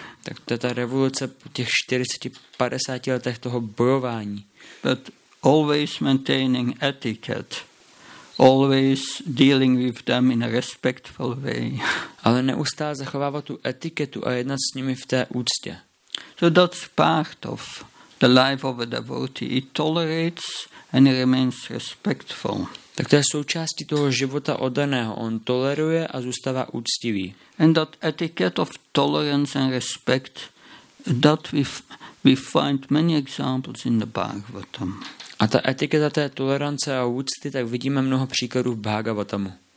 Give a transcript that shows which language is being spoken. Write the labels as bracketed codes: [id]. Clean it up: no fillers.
[cs] Tak to je ta revoluce po těch 40-50 letech toho bojování. [en] But always maintaining etiquette, always dealing with them in a respectful way. [cs] Ale neustále zachovávat tu etiketu a jednat s nimi v té úctě. [en] So that's part of the life of a devotee. He tolerates and he remains respectful. [cs] Tak to je součástí toho života oddaného. On toleruje a zůstává úctivý. [en] And that etiquette of tolerance and respect, that we find many examples in the Bhagavatam. [cs] A ta etiketa té tolerance a úcty, tak vidíme mnoho příkladů v Bhagavatamu.